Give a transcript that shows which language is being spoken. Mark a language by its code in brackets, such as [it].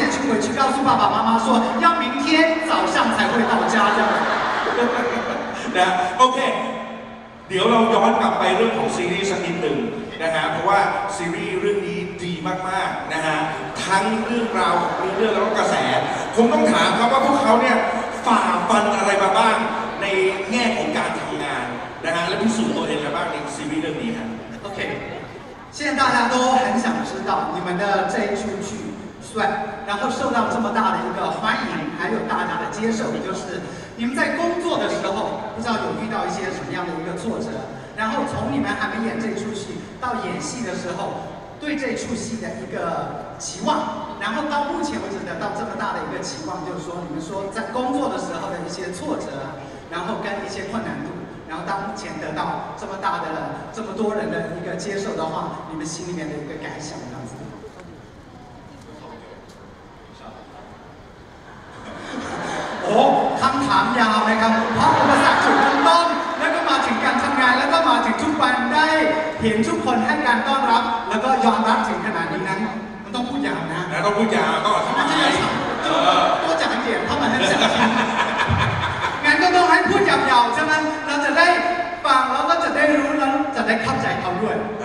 [zh] 回去告诉爸爸妈妈说要明天早上才会到家这样子。 [th] นะ OK เดี๋ยวเราย้อนกลับไปเรื่องของซีรีส์สักนิดหนึ่งนะฮะเพราะว่าซีรีส์เรื่องนี้ดีมากๆนะฮะทั้งเรื่องราวของเรื่องแล้วก็กระแสผมต้องถามครับว่าพวกเขาเนี่ยฝ่าฟันอะไรมาบ้างในแง่ของการทำงานนะฮะและพิสูจน์ตัวเองอะไรบ้างในซีรีส์เรื่องนี้ครับ [zh] โอเค现在大家都很想知道你们的这一出剧帅然后受到这么大的一个欢迎还有大家的接受就是你们在工作的时候不知道有遇到一些什么样的一个挫折然后从你们还没演这出戏到演戏的时候对这出戏的一个期望然后到目前为止得到这么大的一个期望就是说你们说在工作的时候的一些挫折然后跟一些困难度然后到目前得到这么大的这么多人的一个接受的话你们心里面的一个感想这样子 [th] 哦ทำถามยาวไหมครับเพราะอุปสรรคจุดเริ่มต้นแล้วก็มาถึงการทำงานแล้วก็มาถึงทุกวันได้เห็นทุกคนให้การต้อนรับแล้วก็ยอมรับถึงขนาดนี้นั้นมันต้องพูดยาวนะ ต้องพูดยาวก็ทำ ให้ยาวตัวจากเกียรติเข้ามาให้จังงั้นก็ต้องให้พูดยาวๆใช่ไหมเราจะได้ฟังแล้วก็จะได้รู้แล้วจะได้เข้าใจเขาด้วย